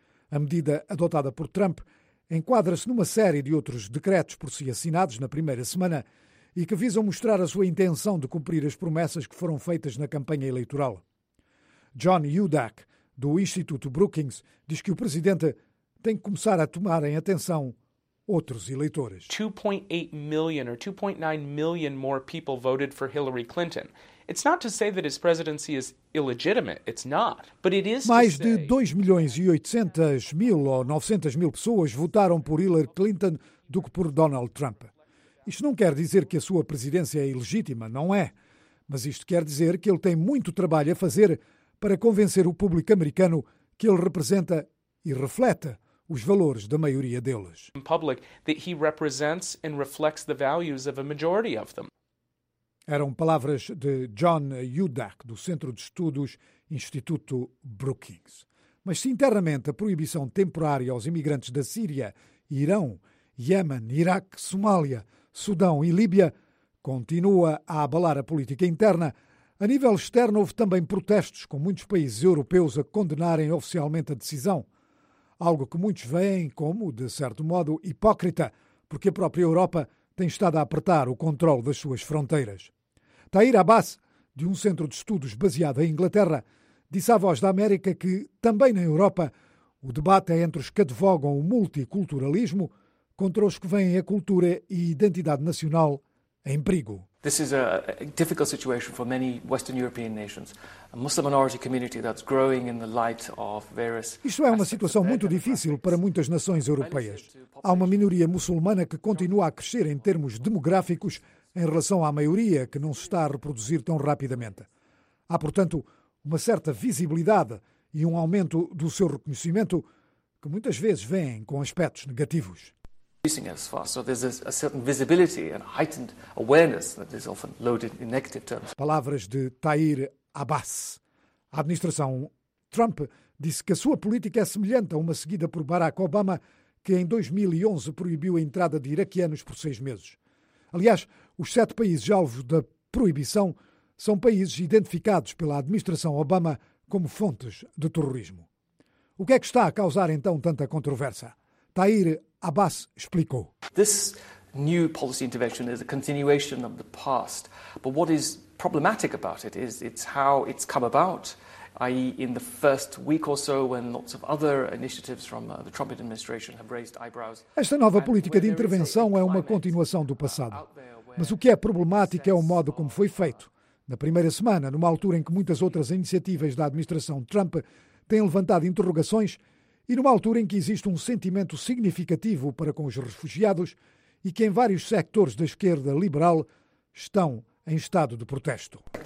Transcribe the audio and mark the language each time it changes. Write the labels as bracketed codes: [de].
[pt] A medida adotada por Trump enquadra-se numa série de outros decretos por si assinados na primeira semana e que visam mostrar a sua intenção de cumprir as promessas que foram feitas na campanha eleitoral. John Hudak, do Instituto Brookings, diz que o presidente tem que começar a tomar em atenção outros eleitores. [en] 2.8 million or 2.9 million more people voted for Hillary Clinton. It's not to say that his presidency is illegitimate. It's not. But it is. [pt] Mais de 2 milhões e 800 mil ou 900 mil pessoas votaram por Hillary Clinton do que por Donald Trump. Isto não quer dizer que a sua presidência é ilegítima, não é. Mas isto quer dizer que ele tem muito trabalho a fazer para convencer o público americano que ele representa e reflete os valores da maioria deles. [en] In public, that he represents and reflects the values of a majority of them. [pt] Eram palavras de John Hudak, do Centro de Estudos Instituto Brookings. Mas se internamente a proibição temporária aos imigrantes da Síria, Irão, Iêmen, Iraque, Somália, Sudão e Líbia continua a abalar a política interna, a nível externo houve também protestos, com muitos países europeus a condenarem oficialmente a decisão. Algo que muitos veem como, de certo modo, hipócrita, porque a própria Europa tem estado a apertar o controle das suas fronteiras. Tahir Abbas, de um centro de estudos baseado em Inglaterra, disse à Voz da América que, também na Europa, o debate é entre os que advogam o multiculturalismo contra os que veem a cultura e identidade nacional em perigo. [en] This is a difficult situation for many Western European nations, a Muslim minority community that's growing in the light of various. [pt] Isto é uma situação muito difícil para muitas nações europeias. Há uma minoria muçulmana que continua a crescer em termos demográficos em relação à maioria, que não se está a reproduzir tão rapidamente. Há, portanto, uma certa visibilidade e um aumento do seu reconhecimento que muitas vezes vêm com aspectos negativos. Palavras de Tahir Abbas. A administração Trump disse que a sua política é semelhante a uma seguida por Barack Obama, que em 2011 proibiu a entrada de iraquianos por 6 meses. Aliás, os 7 países alvo da proibição são países identificados pela administração Obama como fontes de terrorismo. O que é que está a causar então tanta controvérsia? Tahir Abbas explicou. [en] This new policy intervention is a continuation of the past, but what is problematic about it is it's how it's come about, i.e. in the first week or so when lots of other initiatives from the Trump administration have raised eyebrows. [pt] Esta nova política de intervenção é uma continuação do passado. Mas o que é problemático é o modo como foi feito. Na primeira semana, numa altura em que muitas outras iniciativas da administração Trump têm levantado interrogações, e numa altura em que existe um sentimento significativo para com os refugiados e que em vários sectores da esquerda liberal estão em estado de protesto.